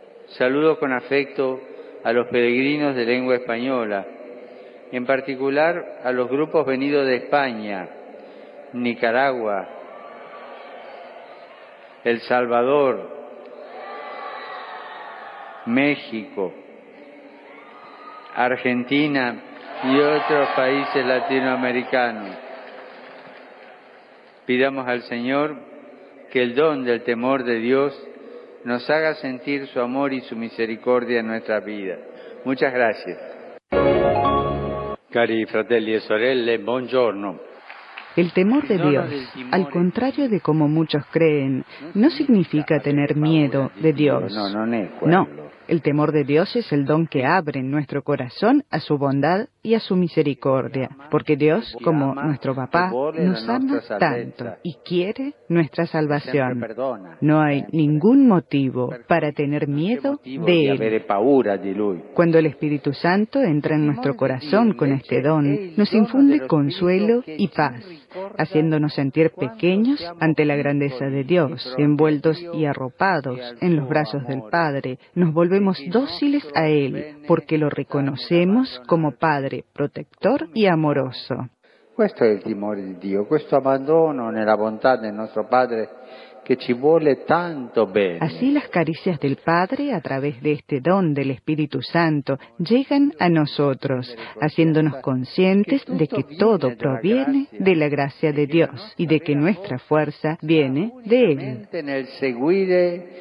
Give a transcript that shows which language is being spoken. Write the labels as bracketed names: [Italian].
[Spanish] Saludo con afecto a los peregrinos de lengua española, en particular a los grupos venidos de España, Nicaragua, El Salvador, México, Argentina y otros países latinoamericanos. Pidamos al Señor que el don del temor de Dios nos haga sentir su amor y su misericordia en nuestra vida. Muchas gracias. [Italian] Cari fratelli e sorelle, buongiorno. [Spanish] El temor de Dios, al contrario de como muchos creen, no significa tener miedo de Dios. No, El temor de Dios es el don que abre nuestro corazón a su bondad y a su misericordia, porque Dios, como nuestro papá, nos ama tanto y quiere nuestra salvación. No hay ningún motivo para tener miedo de Él. Cuando el Espíritu Santo entra en nuestro corazón con este don, nos infunde consuelo y paz, haciéndonos sentir pequeños ante la grandeza de Dios, envueltos y arropados en los brazos del Padre. Nos volvemos dóciles a Él porque lo reconocemos como Padre protector y amoroso. [Italian] Questo è il timore di Dio, questo abbandono nella bontà del nostro Padre che ci vuole tanto bene. [Spanish] Así las caricias del Padre a través de este don del Espíritu Santo llegan a nosotros, haciéndonos conscientes de que todo proviene de la gracia de Dios y de que nuestra fuerza viene de Él.